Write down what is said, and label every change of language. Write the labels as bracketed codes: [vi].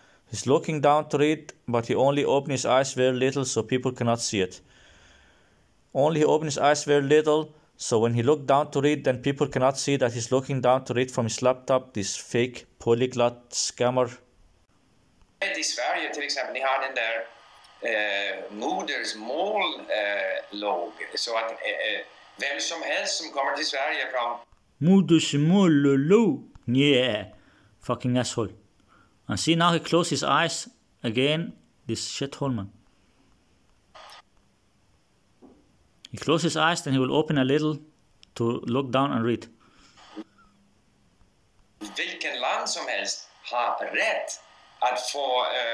[en] He's looking down to read, but he only opened his eyes very little, so people cannot see it. Only he opened his eyes very little, so when he looked down to read, then people cannot see that he's looking down to read from his laptop, this fake polyglot scammer. This value, for example, he had in there. [sv] Modersmål låg så att vem som helst som kommer till Sverige från modersmål låg, [en] yeah, fucking asshole. And see, now he closed his eyes again, this shithole man. He closed his eyes, then he will open a little to look down and read. [sv] Vilken land som helst har rätt att få